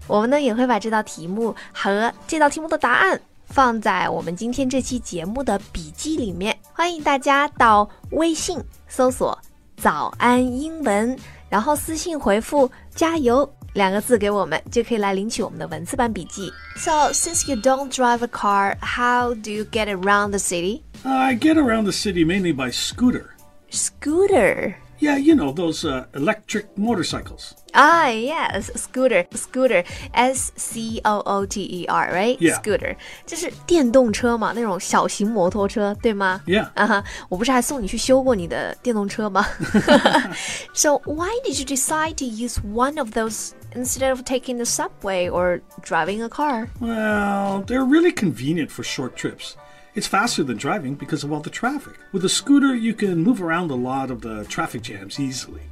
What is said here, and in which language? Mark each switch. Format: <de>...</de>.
<zh>我们呢也会把这道题目和这道题目的答案放在我们今天这期节目的笔记里面。欢迎大家到微信搜索早安英文，然后私信回复加油两个字给我们，就可以来领取我们的文字版笔记。</zh> <en>So, since you don't drive a car, how do you get around the city? I get around the city mainly by scooter. Scooter? Yeah, you know, those electric motorcycles. Ah, yes, scooter. Scooter, S-C-O-O-T-E-R, right? Yeah. Scooter.</en> <zh>这是电动车嘛，那种小型摩托车，对吗？</zh> <en>Yeah.</en> <zh>我不是还送你去修过你的电动车吗？</zh> <en>So, why did you decide to use one of those... instead of taking the subway or driving a car? Well, they're really convenient for short trips. It's faster than driving because of all the traffic. With a scooter, you can move around a lot of the traffic jams easily.</en>